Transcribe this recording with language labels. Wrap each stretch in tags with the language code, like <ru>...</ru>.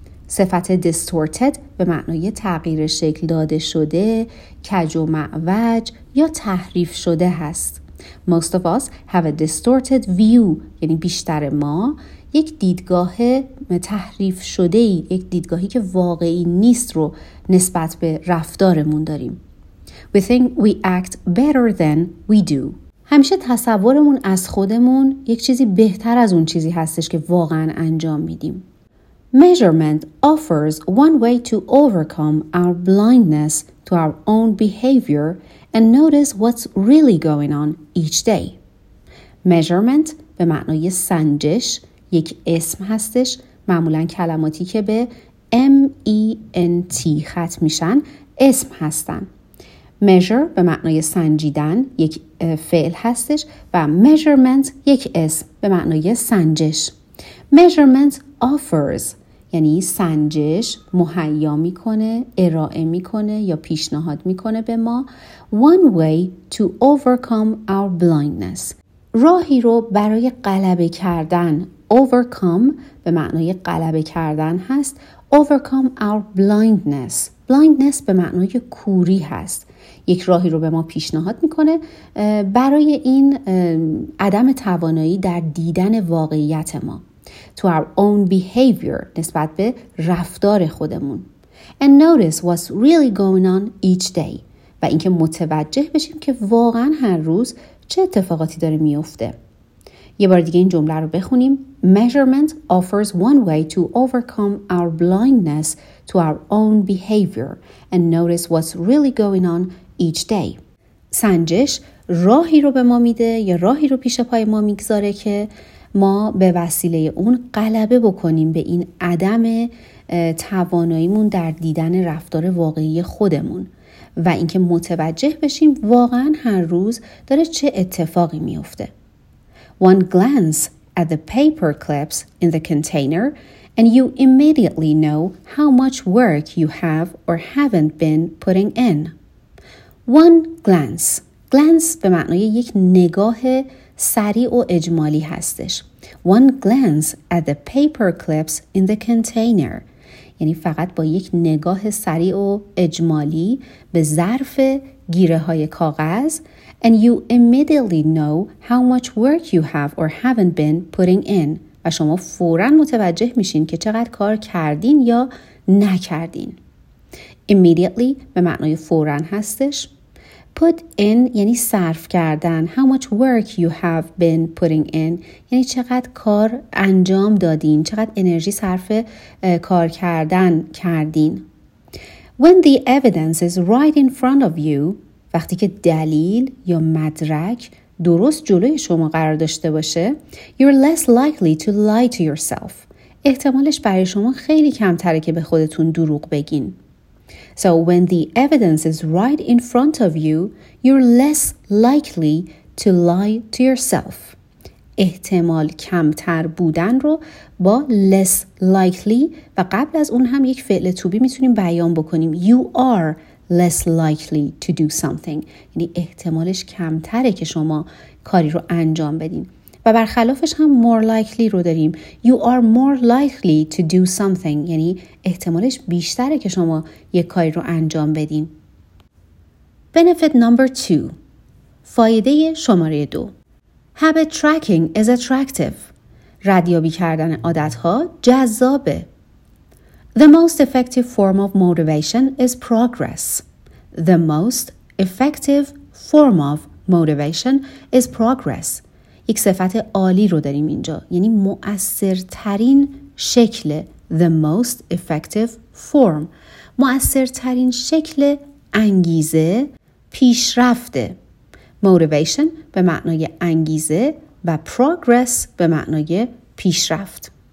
<fa>صفت distorted به معنای تغییر شکل داده شده، کج و معوج یا تحریف شده هست.</fa> <en>Most of us have a distorted view.</en> <fa>یعنی بیشتر ما یک دیدگاه تحریف شده ای، یک دیدگاهی که واقعی نیست رو نسبت به رفتارمون داریم.</fa> <en>We think we act better than we do.</en> <fa>همیشه تصورمون از خودمون یک چیزی بهتر از اون چیزی هستش که واقعا انجام میدیم.</fa> <en>Measurement offers one way to overcome our blindness to our own behavior and notice what's really going on each day.</en> <fa>Measurement به معنای سنجش یک اسم هستش، معمولا کلماتی که به ment ختم میشن اسم هستن. Measure به معنای سنجیدن یک فعل هستش و measurement یک اسم به معنای سنجش.</fa> <en>Measurement offers</en> <fa>یعنی سنجش مهیا میکنه، ارائه میکنه یا پیشنهاد میکنه به ما</fa> <en>one way to overcome our blindness.</en> <fa>راهی رو برای غلبه کردن. Overcome به معنای غلبه کردن هست.</fa> <en>Overcome our blindness.</en> <fa>Blindness به معنای کوری هست. یک راهی رو به ما پیشنهاد میکنه برای این عدم توانایی در دیدن واقعیت ما.</fa> <en>To our own behavior</en> <fa>نسبت به رفتار خودمون.</fa> <en>And notice what's really going on each day.</en> <fa>و اینکه متوجه بشیم که واقعا هر روز چه اتفاقاتی داره میفته. یه بار دیگه این جمله رو بخونیم.</fa> <en>Measurement offers one way to overcome our blindness to our own behavior and notice what's really going on each day.</en> <fa>سنجش راهی رو به ما میده یا راهی رو پیش پای ما میگذاره که ما به وسیله اون غلبه بکنیم به این عدم تواناییمون در دیدن رفتار واقعی خودمون و اینکه متوجه بشیم واقعا هر روز داره چه اتفاقی میفته.</fa> <en>One glance at the paper clips in the container and you immediately know how much work you have or haven't been putting in. One glance.</en> <fa>Glance به معنای یک نگاه سریع و اجمالی هستش.</fa> <en>One glance at the paper clips in the container.</en> <fa>یعنی فقط با یک نگاه سریع و اجمالی به ظرف گیره های کاغذ</fa> <en>and you immediately know how much work you have or haven't been putting in</en> <fa>و شما فوراً متوجه میشین که چقدر کار کردین یا نکردین. Immediately به معنای فوراً هستش. Put in یعنی صرف کردن.</fa> <en>How much work you have been putting in</en> <fa>یعنی چقدر کار انجام دادین، چقدر انرژی صرف کار کردن کردین.</fa> <en>When the evidence is right in front of you،</en> <fa>وقتی که دلیل یا مدرک درست جلوی شما قرار داشته باشه،</fa> <en>you're less likely to lie to yourself.</en> <fa>احتمالش برای شما خیلی کمتره که به خودتون دروغ بگین.</fa> <en>So when the evidence is right in front of you, you're less likely to lie to yourself.</en> <fa>احتمال کمتر بودن رو با less likely و قبل از اون هم یک فعل توبی میتونیم بیان بکنیم.</fa> <en>You are less likely to do something.</en> <fa>یعنی احتمالش کمتره که شما کاری رو انجام بدین. و و برخلافش هم more likely رو داریم.</fa> <en>You are more likely to do something،</en> <fa>یعنی احتمالش بیشتره که شما یک کاری رو انجام بدین.</fa> <en>Benefit number 2،</en> <fa>فایده شماره 2،</fa> <en>Habit tracking is attractive،</en> <fa>ردیابی کردن عادتها جذابه.</fa> <en>The most effective form of motivation is progress. The most effective form of motivation is progress.</en> <fa>یک صفت عالی رو داریم اینجا. یعنی مؤثرترین شکل.</fa> <en>The most effective form.</en> <fa>مؤثرترین شکل انگیزه پیشرفته. Motivation به معنای انگیزه و progress به معنای پیشرفت.</fa>